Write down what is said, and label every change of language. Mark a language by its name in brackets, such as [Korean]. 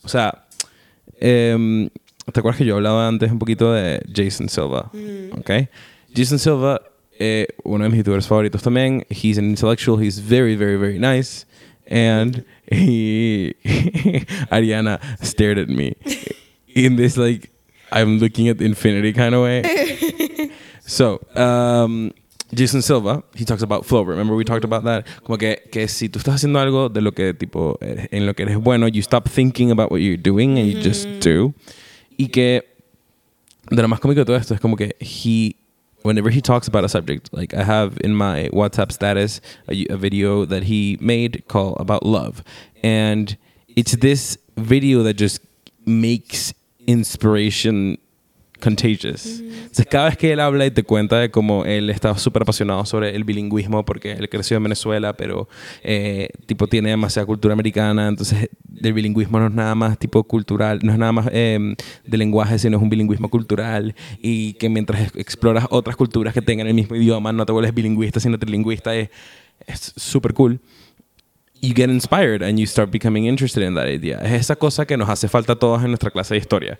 [Spanish] O sea, ¿te acuerdas que yo hablaba antes un poquito de Jason Silva? Mm-hmm. [English] Okay? [Spanish] Jason Silva, [English] one of [Spanish] mis YouTubers favoritos también. [English] He's an intellectual. He's very, very, very nice. And he, Ariana stared at me in this, like, I'm looking at the infinity kind of way. So, Jason Silva, he talks about flow. Remember we talked about that? [Spanish] Como que si tú estás haciendo algo de lo que, tipo, en lo que eres bueno, [English] you stop thinking about what you're doing and you just do. [Spanish] Y que, de lo más cómico de todo esto, es como que [English] he, whenever he talks about a subject, like I have in my WhatsApp status a video that he made called About Love. And it's this video that just makes inspiration contagious. [Spanish] Entonces, cada vez que él habla y te cuenta de cómo él está súper apasionado sobre el bilingüismo porque él creció en Venezuela, pero tipo tiene demasiada cultura americana, entonces el bilingüismo no es nada más tipo cultural, no es nada más de lenguaje, sino es un bilingüismo cultural, y que mientras exploras otras culturas que tengan el mismo idioma, no te vuelves bilingüista, sino trilingüista, es súper cool. [English] You get inspired and you start becoming interested in that idea. [Spanish] Es esa cosa que nos hace falta a todos en nuestra clase de historia.